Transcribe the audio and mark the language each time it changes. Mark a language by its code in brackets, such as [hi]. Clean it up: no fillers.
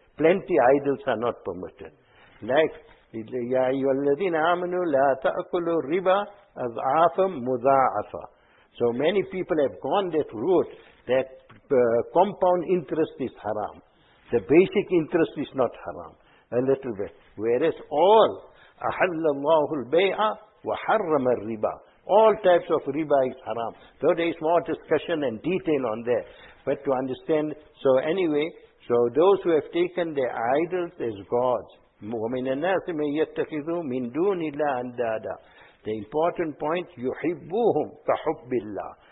[en] Plenty idols are not permitted. Like, [ar] يَا أَيُّهَا الَّذِينَ آمَنُوا لَا تَأْكُلُوا الرِّبَا أَضْعَافًا مُضَاعَفًا. [en] So many people have gone that route that compound interest is haram. The basic interest is not haram. A little bit. Whereas all, [ar] أَحَلَّ اللَّهُ الْبَيْعَ وَحَرَّمَ الرِّبَى. [en] All types of riba is haram. So there is more discussion and detail on that. But to understand, so anyway, so those who have taken their idols as gods, [ar] وَمِنَ النَّاسِ مَنْ يَتَّخِذُوا مِنْ دُونِ اللَّهِ أَنْدَادًا. [en] The important point, [ar] يُحِبُّهُمْ كَحُبِّ اللَّهِ.